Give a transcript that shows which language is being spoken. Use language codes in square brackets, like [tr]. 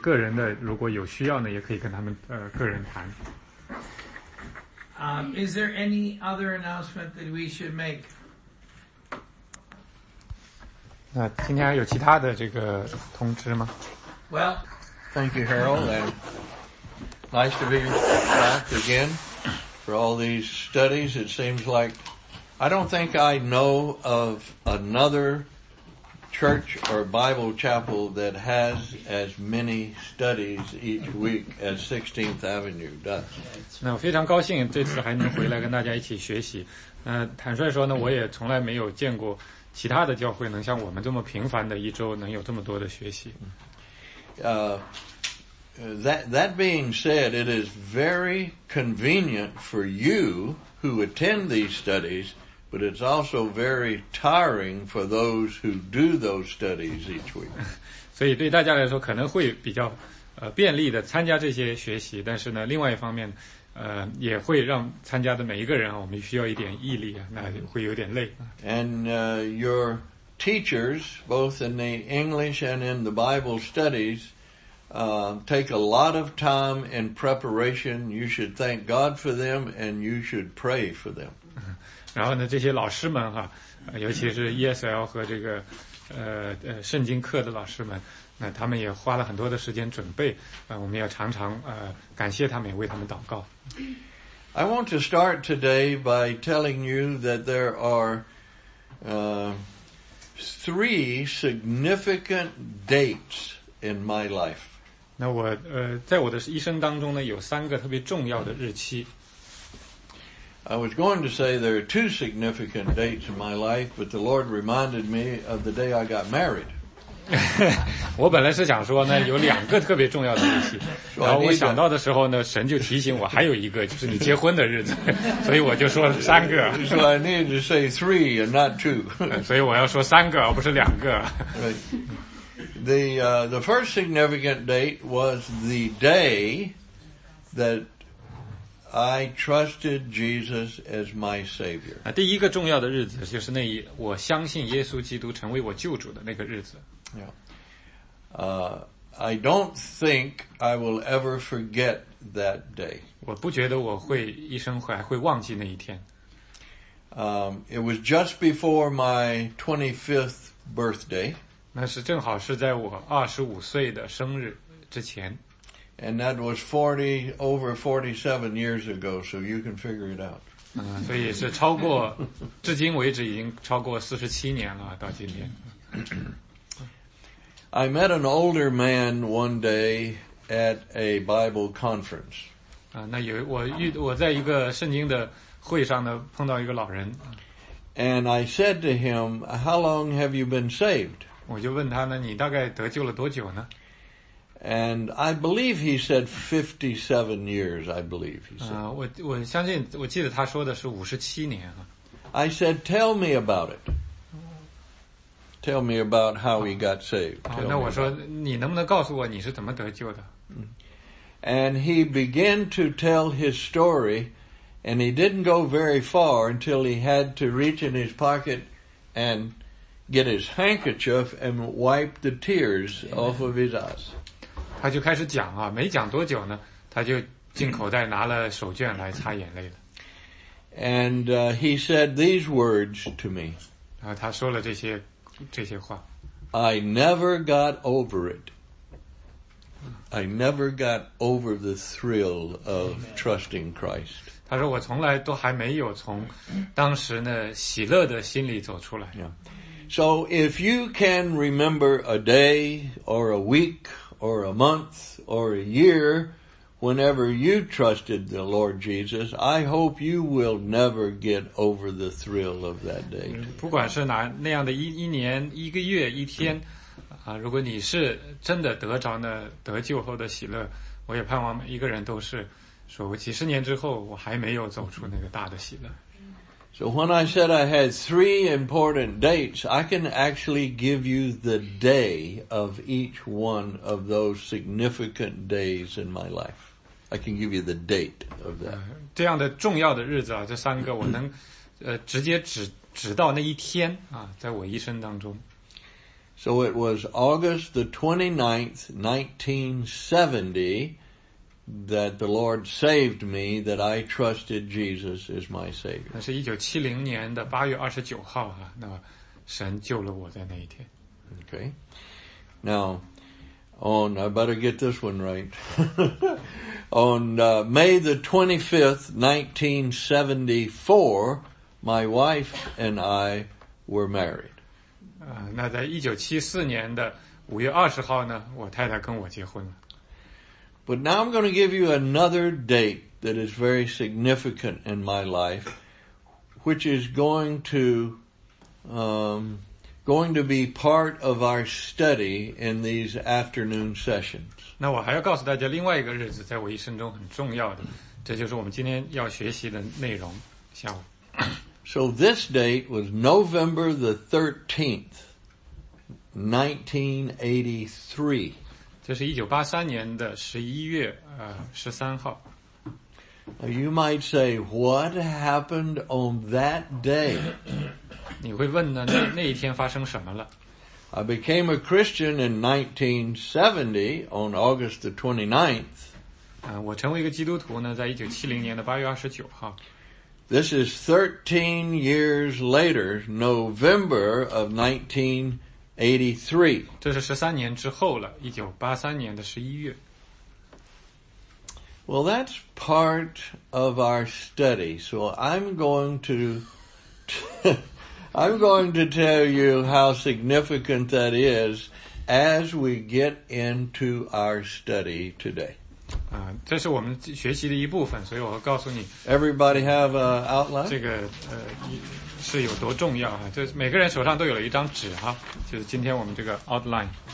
[zh] 个人的，如果有需要呢，也可以跟他们个人谈。 [en] Is there any other announcement that we should make? [zh] 那今天还有其他的这个通知吗 [en] ？Well, thank you, Harold, and nice to be back again for all these studies. It seems like I don't think I know of another. Church or Bible chapel that has as many studies each week as 16th Avenue does. [zh] 那我非常高兴这次还能回来跟大家一起学习。坦率说呢，我也从来没有见过其他的教会能像我们这么频繁的一周能有这么多的学习。 [en] That being said, it is very convenient for you who attend these studies. But it's also very tiring for those who do those studies each week. [zh] 所以对大家来说可能会比较便利的参加这些学习，但是呢，另外一方面，也会让参加的每一个人啊，我们需要一点毅力啊，那会有点累。 [en] And your teachers, both in the English and in the Bible studies, take a lot of time and preparation. You should thank God for them, and you should pray for them. [zh] 然后呢，这些老师们哈，尤其是 ESL 和这个圣经课的老师们，那他们也花了很多的时间准备，我们要常常感谢他们，也为他们祷告。 [en] I want to start today by telling you that there are three significant dates in my life. [zh] 那我在我的一生当中呢，有三个特别重要的日期。 [en] I was going to say there are two significant dates in my life, but the Lord reminded me of the day I got married. [zh] 我本来是想说呢，有两个特别重要的日期。 [en] So、 [zh] 然后我想到的时候呢，神就提醒我还有一个，就是你结婚的日子。所以我就说了三个。 [en] So I need to say three and not two. [zh] 所以我要说三个，而不是两个。 [en] The first significant date was the day that. I trusted Jesus as my Savior. [zh] 第一个重要的日子就是那一我相信耶稣基督成为我救主的那个日子。 [en] Yeah. I don't think I will ever forget that day. [zh] 我不觉得我会一生会忘记那一天。 [en] It was just before my 25th birthday. [zh] 那是正好是在我25岁的生日之前。 [en] And that was 40, over 47 years ago, so you can figure it out. [zh] 所以是超过至今为止已经超过47年了到今天。 [en] I met an older man one day at a Bible conference. [zh] 那有我在一个圣经的会上呢碰到一个老人。 [en] And I said to him, how long have you been saved? [zh] 我就问他呢你大概得救了多久呢 [en] And I believe he said 57 years, I believe he said. [zh] 我相信我记得他说的是57年啊。 [en] I said, tell me about it. Tell me about how he got saved. [zh] 那我说你能不能告诉我你是怎么得救的 [en] And he began to tell his story, and he didn't go very far until he had to reach in his pocket and get his handkerchief and wipe the tears off of his eyes. [zh] 他就开始讲啊，没讲多久呢，他就进口袋拿了手绢来擦眼泪了。 [en] And he said these words to me. [zh] 然后他说了这些话。 [en] I never got over it. I never got over the thrill of trusting Christ. [zh] 他说我从来都还没有从当时呢喜乐的心里走出来。 [en] Yeah. So if you can remember a day or a week. Or a month or a year, whenever you trusted the Lord Jesus, I hope you will never get over the thrill of that day. [zh] 不管是哪那样的一年、一个月、一天，如果你是真的得着呢得救后的喜乐，我也盼望每一个人都是，说我几十年之后我还没有走出那个大的喜乐。 [en] So when I said I had three important dates, I can actually give you the day of each one of those significant days in my life. I can give you the date of that. [zh] 这样的重要的日子啊，这三个我能，直接指到那一天啊，在我一生当中。 [en] So it was August the 29th, 1970, that the Lord saved me, that I trusted Jesus as my Savior. [zh] 那是1970年的8月29号啊，那神救了我在那一天。 [en] Okay. Now, on, I better get this one right. On May the 25th, 1974, my wife and I were married. [zh] 那在1974年的5月20号呢，我太太跟我结婚了。 [en] But now I'm going to give you another date that is very significant in my life, which is going to be part of our study in these afternoon sessions. [zh] 那我还要告诉大家另外一个日子在我一生中很重要的，这就是我们今天要学习的内容，下午。 [en] So this date was November the 13th, 1983. [zh] 这是1983年的11月13号。 [en] Now you might say, what happened on that day? [zh] 你会问呢，那一天发生什么了？ [en] I became a Christian in 1970 on August the 29th. [zh] 我成为一个基督徒呢，在1970年的8月29号。 [en] This is 13 years later, November of 1983. [zh] 这是13年之后了,1983年的11月。 [en] Well, that's part of our study, so I'm going to tell you how significant that is as we get into our study today. [zh] 这是我们学习的一部分，所以我告诉你。 [en] Everybody have an outline? [zh] 这个是有多重要啊，就是每个人手上都有了一张纸啊，就是今天我们这个 outline。